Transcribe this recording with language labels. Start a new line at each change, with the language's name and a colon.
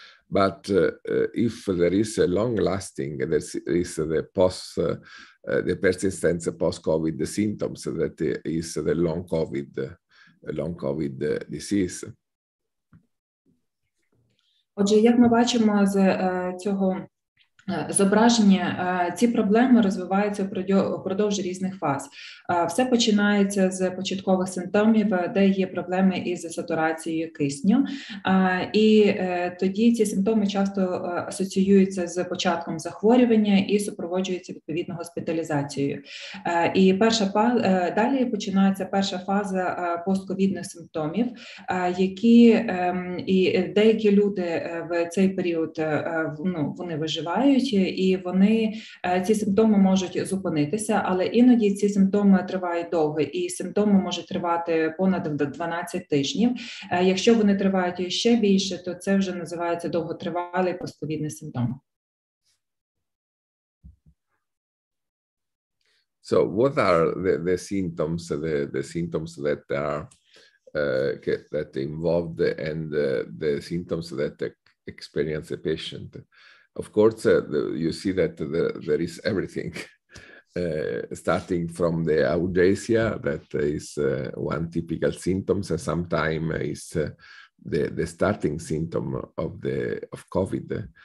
English: But if there is a long lasting, there is the post the persistent post-COVID symptoms, that is the long COVID disease.
Ukrainian: Отже, як ми бачимо з цього зображення, ці проблеми розвиваються впродовж різних фаз. Все починається з початкових симптомів, де є проблеми із сатурацією кисню. І тоді ці симптоми часто асоціюються з початком захворювання і супроводжуються відповідно госпіталізацією. І далі починається перша фаза постковідних симптомів, які і деякі люди в цей період вони виживають, і вони ці симптоми можуть зупинитися, але іноді ці симптоми тривають довго, і симптоми можуть тривати понад 12 тижнів. Якщо вони тривають ще більше, то це вже називається довготривалий постковідний симптом.
English: So what are the symptoms, the symptoms that are that involved, and the symptoms that experience the patient? Of course, you see that there is everything, starting from the audacia, that is one typical symptom, and sometimes is the starting symptom of the of COVID.